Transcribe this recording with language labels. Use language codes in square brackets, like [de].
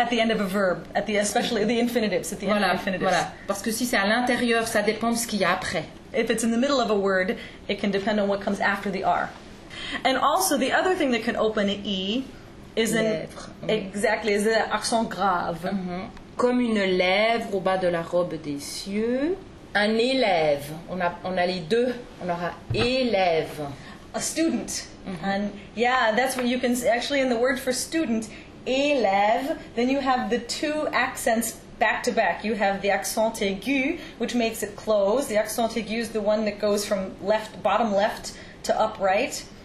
[en] At the end of a verb, at the especially the infinitives, at the [fr] voilà, [en] end of infinitives. [fr] Voilà. Parce que si c'est à l'intérieur, ça dépend de ce qu'il y a après. [en] If it's in the middle of a word, it can depend on what comes after the R. And also, the other thing that can open an E is an exactly is an accent grave. Mm-hmm. [fr] Comme une lèvre au bas de la robe des cieux, un élève. On a les deux. On aura élève. [en] A student. Mm-hmm. And yeah, that's what you can say. Actually, in the word for student, élève, then you have the two accents back to back. You have the accent aigu, which makes it close. The accent aigu is the one that goes from left, bottom left to upright.